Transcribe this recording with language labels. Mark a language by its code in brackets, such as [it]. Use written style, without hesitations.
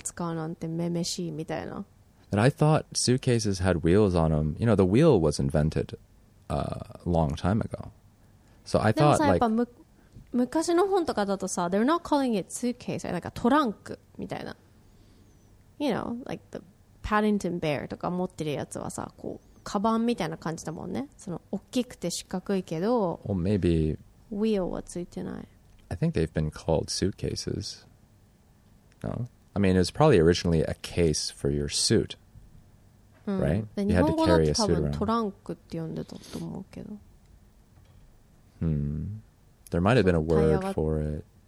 [ja] 時代も時代だし、なんかそんなの使うなんてめめしいみたいな。 [en] And I thought suitcases had wheels on them. You know, the wheel was invented a long time ago. So I thought like... [ja] 昔の本とかだとさ, [en] they're not calling it suitcase, like a トランクみたいな. You know, like the Paddington Bear [ja] とか持ってるやつはさ, こう、カバンみたいな感じだもんね. その大きくて四角いけど, [en] or maybe... [ja] wheelはついてない. [en] I think they've been called suitcases. No? I mean, it was probably originally a case for your suit. Right? You had to carry a suit around. [ja] 日本語だって多分トランクって呼んでたと思うけど。 Hmm. [en] There might have been a word for it.